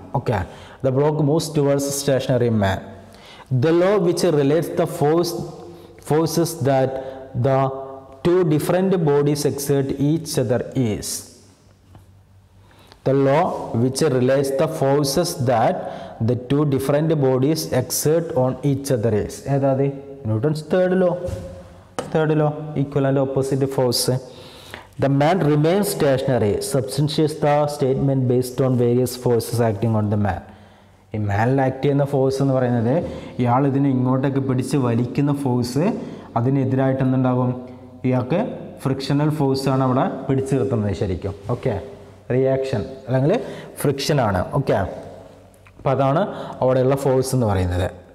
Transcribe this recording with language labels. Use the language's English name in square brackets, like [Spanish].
[English] Okay, the block moves towards stationary man. The law which relates the forces that the two different bodies exert each other is. The law which relates the forces that the two different bodies exert on each other is. [Malayalam] ഏതാ? [English] Newton's third law equal and opposite force. The man remains stationary, substantiates the statement based on various forces acting on the man. [Malayalam] ഈ മാനിൽ act ചെയ്യുന്ന force എന്ന് പറയുന്നത് ഇയാളിതിനെ ഇങ്ങോട്ടൊക്കെ പിടിച്ച് വലിക്കുന്ന force, അതിനെതിരായിട്ട് എന്തുണ്ടാകും? ഇയാൾക്ക് frictional ഫോഴ്സാണ് അവിടെ പിടിച്ചു നിർത്തുന്നത് ശരിക്കും. ഓക്കെ, റിയാക്ഷൻ അല്ലെങ്കിൽ ഫ്രിക്ഷനാണ്. ഓക്കെ, അപ്പം അതാണ് അവിടെയുള്ള ഫോഴ്സ് എന്ന് പറയുന്നത്.